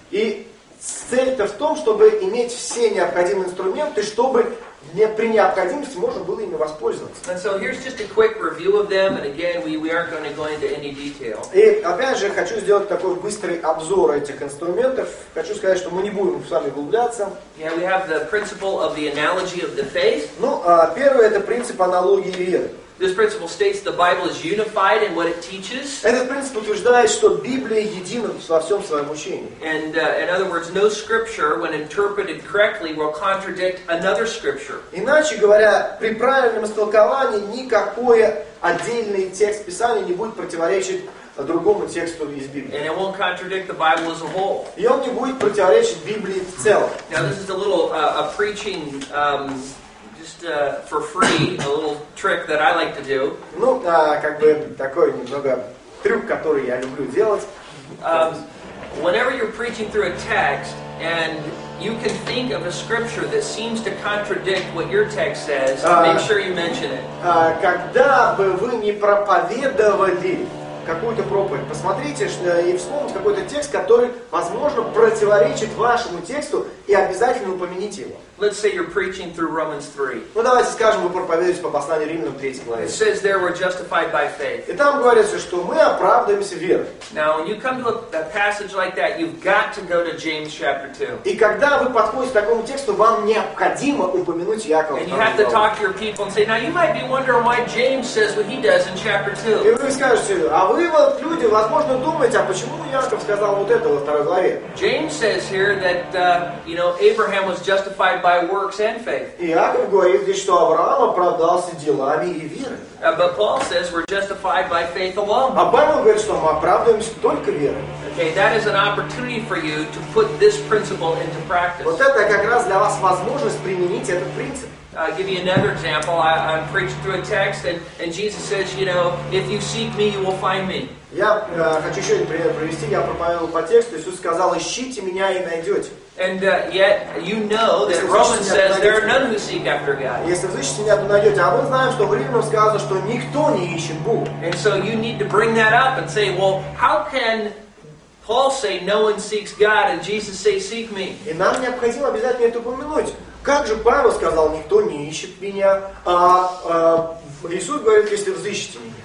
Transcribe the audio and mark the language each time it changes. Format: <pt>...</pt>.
<ru>И цель-то в том, чтобы иметь все необходимые инструменты, чтобы при необходимости можно было ими воспользоваться.</ru> <en>And so here's just a quick review of them, and again, we aren't going to go into any detail.</en> <ru>И опять же, хочу сделать такой быстрый обзор этих инструментов. Хочу сказать, что мы не будем с вами углубляться.</ru> <en>Yeah, we have the principle of the analogy of the faith.</en> <ru>Ну, первое, это принцип аналогии веры.</ru> <en>This principle states the Bible is unified in what it teaches.</en> <ru>Этот принцип утверждает, что Библия едина во всем своем учении.</ru> <en>And in other words, no scripture, when interpreted correctly, will contradict another scripture.</en> <ru>Иначе говоря, при правильном истолковании никакой отдельный текст Писания не будет противоречить другому тексту из Библии.</ru> <en>And it won't contradict the Bible as a whole.</en> <ru>И он не будет противоречить Библии в целом.</ru> <en>Now this is a little a preaching just for free a little trick that I like to do.</en> <ru>Ну, как бы такой немного трюк, который я люблю делать.</ru> <en>Whenever you're preaching through a text and you can think of a scripture that seems to contradict what your text says, make sure you mention it.</en> <ru>Когда бы вы не проповедовали какую-то проповедь, посмотрите и вспомните какой-то текст, который, возможно, противоречит вашему тексту, и обязательно упомяните его.</ru> <en>Let's say you're preaching through Romans 3.</en> <ru>Ну, давайте скажем, вы проповедуете по посланию Римлянам 3 главе.</ru> <en>It says there we're justified by faith.</en> <ru>И там говорится, что мы оправдываемся верой.</ru> <en>Now, when you come to a passage like that, you've got to go to James chapter 2.</en> <ru>И когда вы подходите к такому тексту, вам необходимо упомянуть Якова.</ru> <en>And you have to talk to your people and say, now you might be wondering why James says what he does in chapter 2.</en> <ru>И вы скажете, а вы вот люди, возможно, думаете, а почему Яков сказал вот это во второй главе?</ru> <en>James says here that, you know, Abraham was justified by works and faith.</en> <ru>Иаков говорит здесь, что Авраам оправдался делами и верой.</ru> <en>But Paul says we're justified by faith alone.</en> <ru>А Павел говорит, что мы оправдываемся только верой.</ru> <en>Okay, that is an opportunity for you to put this principle into practice.</en> <ru>Вот это как раз для вас возможность применить этот принцип.</ru> <en>I'll give you another example. I'm preaching through a text, and Jesus says, you know, if you seek me, you will find me.</en> <ru>Я хочу еще один пример привести. Я проповедовал по тексту. Иисус сказал, ищите меня и найдете.</ru> <en>And yet you know that Romans says there are none who seek after God.</en> <ru>Если вы ищете меня, то найдете. А мы знаем, что в Римлянам сказано, что никто не ищет Бога.</ru> <en>And so you need to bring that up and say, well, how can Paul say no one seeks God and Jesus say seek me?</en> <ru>И нам необходимо обязательно это упомянуть. Как же Павел сказал, никто не ищет меня, а Иисус говорит, если вы ищете меня.</ru>